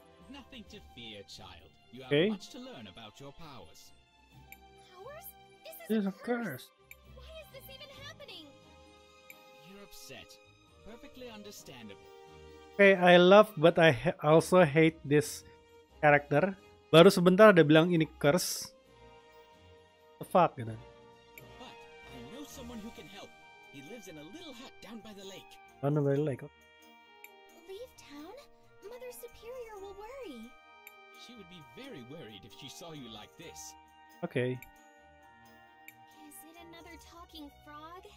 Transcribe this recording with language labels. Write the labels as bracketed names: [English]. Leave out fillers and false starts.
[English] Nothing to fear, child. You have much to learn about your powers. Powers? This is a curse. Why is this even happening? You're upset. Perfectly understandable. Okay, I love but I also hate this character. [Indonesian] Baru sebentar ada bilang ini curse. [English] The fuck, gitu. But I know someone who can help. He lives in a little hut down by the lake. Down by the lake. Leave town? Mother Superior will worry. She would be very worried if she saw you like this. Okay. Is it another talking frog?